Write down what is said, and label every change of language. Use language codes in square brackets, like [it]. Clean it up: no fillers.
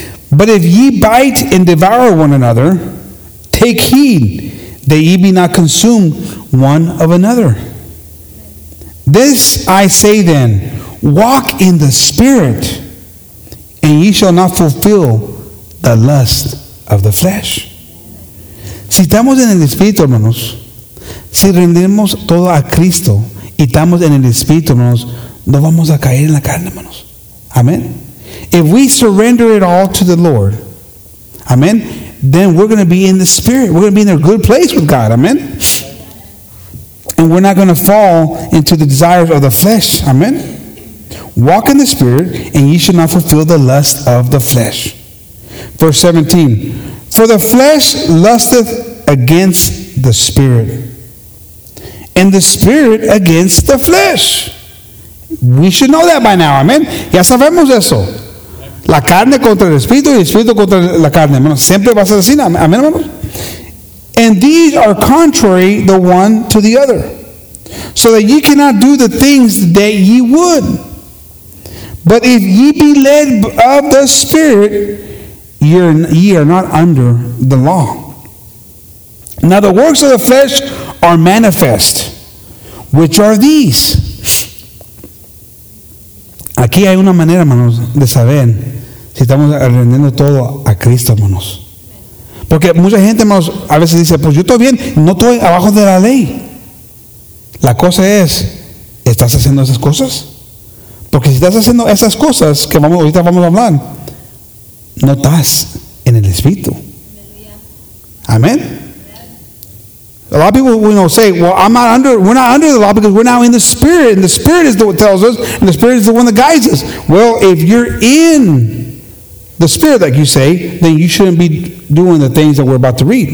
[en] But if ye bite and devour one another, take heed that ye be not consumed one of another. This I say then, walk in the Spirit, and ye shall not fulfill the lust of the flesh. [es] Si estamos en el Espíritu, hermanos, si rendimos todo a Cristo, y estamos en el Espíritu, hermanos, no vamos a caer en la carne, hermanos. [en] Amen. If we surrender it all to the Lord, amen, then we're going to be in the spirit. We're going to be in a good place with God. Amen. And we're not going to fall into the desires of the flesh. Amen. Walk in the spirit, and ye shall not fulfill the lust of the flesh. Verse 17. For the flesh lusteth against the spirit, and the spirit against the flesh. We should know that by now. Amen. [es] Ya sabemos eso. La carne contra el espíritu y el espíritu contra la carne. Bueno, siempre va a ser así. Amén, hermano. [en] And these are contrary the one to the other, so that ye cannot do the things that ye would. But if ye be led of the Spirit, ye are not under the law. Now the works of the flesh are manifest, which are these. [es] Aquí hay una manera, hermanos, de saber si estamos rendiendo todo a Cristo, hermanos. Porque mucha gente, hermanos, a veces dice, pues yo estoy bien, no estoy abajo de la ley. La cosa es, ¿estás haciendo esas cosas? Porque si estás haciendo esas cosas que vamos, ahorita vamos a hablar, no estás en el Espíritu. Amén. [en] A lot of people, you know, say, well, I'm not under, we're not under the law because we're now in the Spirit. And the Spirit is the one that tells us, and the Spirit is the one that guides us. Well, if you're in the Spirit, like you say, then you shouldn't be doing the things that we're about to read.